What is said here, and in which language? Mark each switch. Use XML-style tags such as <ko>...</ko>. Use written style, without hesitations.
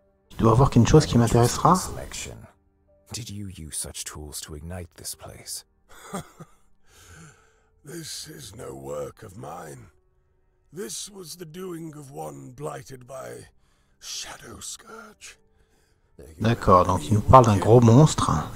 <fr>Il doit avoir quelque chose qui m'intéressera.</fr> <en>Did you use such tools to ignite this place? This is no work of mine. This was the doing of one blighted by Shadow Scourge.</en> <fr>D'accord, donc il nous parle d'un gros monstre.</fr>